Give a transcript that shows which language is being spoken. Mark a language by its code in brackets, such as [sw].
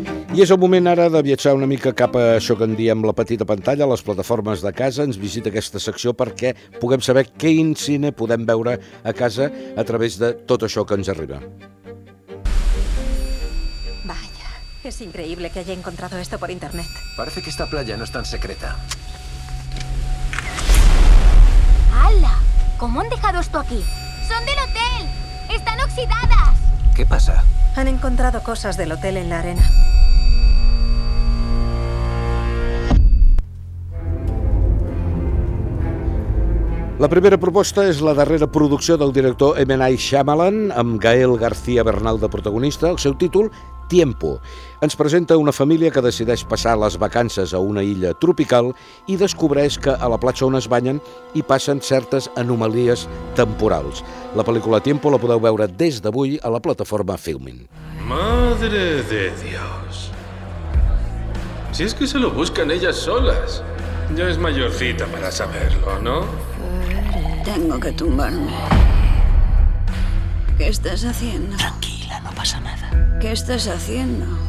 [ca] I és el moment ara de viatjar una mica cap a això que en diem la petita pantalla, les plataformes de casa. Ens visita aquesta secció perquè puguem saber quin cine podem veure a casa a través de tot això que ens arriba. [es] Vaya, es increíble que haya encontrado esto por internet. Parece que esta playa no es tan secreta. ¡Hala! ¿Cómo han dejado esto aquí? ¡Son del hotel! ¡Están oxidadas! ¿Qué pasa? Han encontrado cosas del hotel en la arena. [ca] La primera proposta és la darrera producció del director M. Night Shyamalan, amb Gael García Bernal de protagonista. El seu títol, Tiempo. Ens presenta una família que decideix passar les vacances a una illa tropical i descobreix que a la platja on es banyen hi passen certes anomalies temporals. La pel·lícula Tiempo la podeu veure des d'avui a la plataforma Filmin. [es] Madre de Dios. Si es que se lo buscan ellas solas. Ya es mayorcita para saberlo, ¿no? Tengo que tumbarme. ¿Qué estás haciendo? Tranquila, no pasa nada. ¿Qué estás haciendo?